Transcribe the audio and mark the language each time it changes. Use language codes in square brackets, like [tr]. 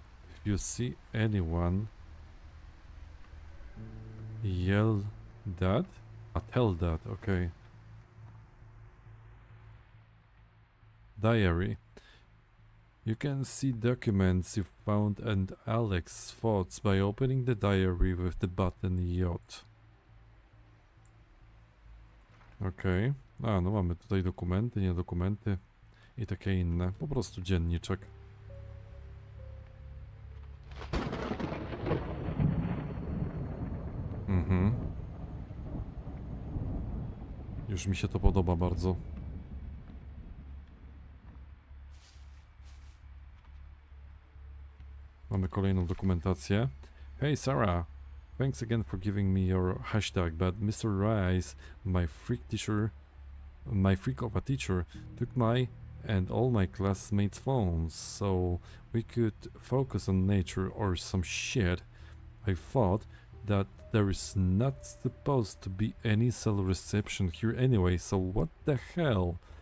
[en] If you see anyone, yell that? Tell that, okay. Diary. You can see documents you found and Alex's thoughts by opening the diary with the button J. Okay. [pl] A, no mamy tutaj dokumenty, nie dokumenty i takie inne. Po prostu dzienniczek. Mhm. Już mi się to podoba bardzo. Mamy kolejną dokumentację. [en] Hey Sarah! Thanks again for giving me your hashtag, but Mr. Rice, my freak teacher, my freak of a teacher took my and all my classmates' phones so we could focus on nature or some shit. I thought that there is not supposed to be any cell reception here anyway, so what the hell?